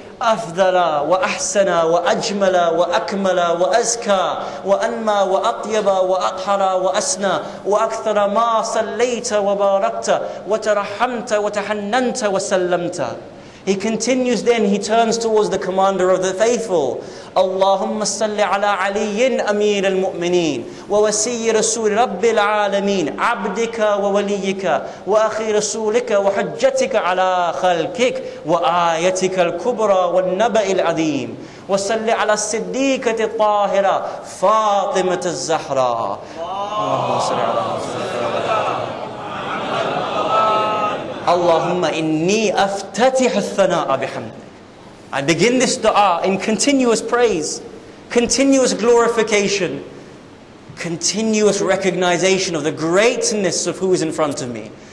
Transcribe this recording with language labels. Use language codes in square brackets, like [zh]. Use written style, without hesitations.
[ar] أفضل وأحسن وأجمل وأكمل وأزكى وأنمى وأطيب وأطهر وأسنى وأكثر ما صليت وباركت وترحمت وتحننت وسلمت. [en] He continues then, he turns towards the commander of the faithful. [ar] اللهم صل على علي أمير المؤمنين ووسي رسول رب العالمين عبدك ووليك وأخي رسولك وحجتك على خلقك وآيتك الكبرى والنبأ العظيم وصل على الصديقة الطاهرة فاطمة الزهراء. اللهم صل على Allahumma inni aftatih al-thana'a bihamdik. [en] I begin this dua in continuous praise, continuous glorification, continuous recognition of the greatness of who is in front of me.